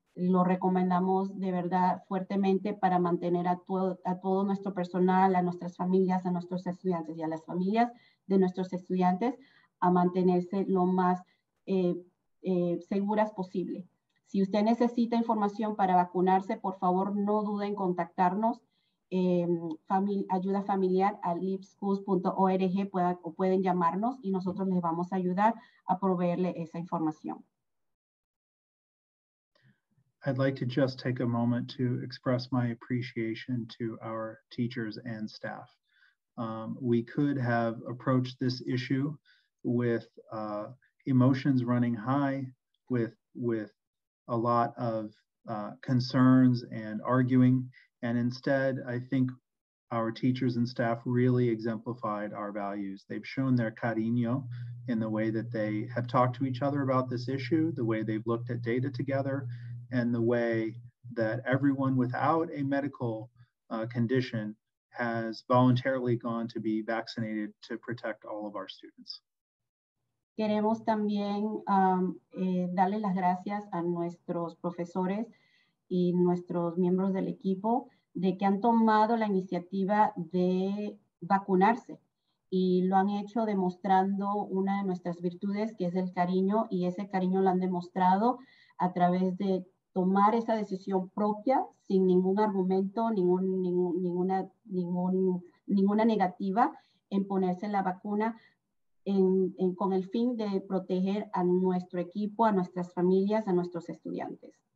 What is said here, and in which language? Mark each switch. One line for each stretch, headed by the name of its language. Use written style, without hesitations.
Spanish: Lo recomendamos de verdad fuertemente para mantener a todo nuestro personal, a nuestras familias, a nuestros estudiantes y a las familias de nuestros estudiantes a mantenerse lo más seguras posible. Si usted necesita información para vacunarse, por favor no dude en contactarnos. Ayuda familiar a leapschools.org o pueden llamarnos y nosotros les vamos a ayudar a proveerle esa información.
English: I'd like to just take a moment to express my appreciation to our teachers and staff. We could have approached this issue with emotions running high, with a lot of concerns and arguing, and instead, I think our teachers and staff really exemplified our values. They've shown their cariño in the way that they have talked to each other about this issue, the way they've looked at data together, and the way that everyone without a medical condition has voluntarily gone to be vaccinated to protect all of our students.
Spanish: Queremos también darle las gracias a nuestros profesores y nuestros miembros del equipo de que han tomado la iniciativa de vacunarse y lo han hecho demostrando una de nuestras virtudes, que es el cariño, y ese cariño lo han demostrado a través de tomar esa decisión propia sin ningún argumento, ninguna negativa en ponerse la vacuna con el fin de proteger a nuestro equipo, a nuestras familias, a nuestros estudiantes.